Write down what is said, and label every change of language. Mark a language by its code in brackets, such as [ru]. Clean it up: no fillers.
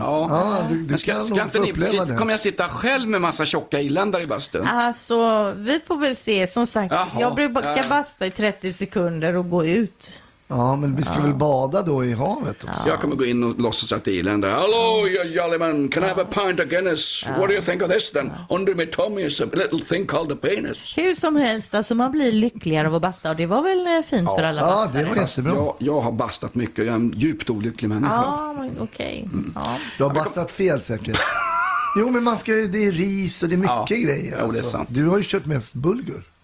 [sv] Ja, du ska inte uppleva det. Kommer jag sitta själv med massa tjocka irländare i bastun? Alltså, vi får väl se. Som sagt, jag brukar basta i 30 sekunder och gå ut. Ja, men vi ska väl bada då i havet också. Jag kommer gå in och låtsas att det är irländare. [en] Hello, you jolly man. Can I have a pint of Guinness? What do you think of this then? Under my tummy is a little thing called a penis. [sv] Hur som helst, alltså man blir lyckligare av att basta. Och det var väl fint för alla bastare. Ja, det var jättebra. Jag har bastat mycket. Jag är en djupt olycklig människa. Ja, okej. Du har bastat fel säkert. Jo, men man ska, det är ris och det är mycket grejer. Alltså. Ja, det är sant. Du har ju kört mest bulgur.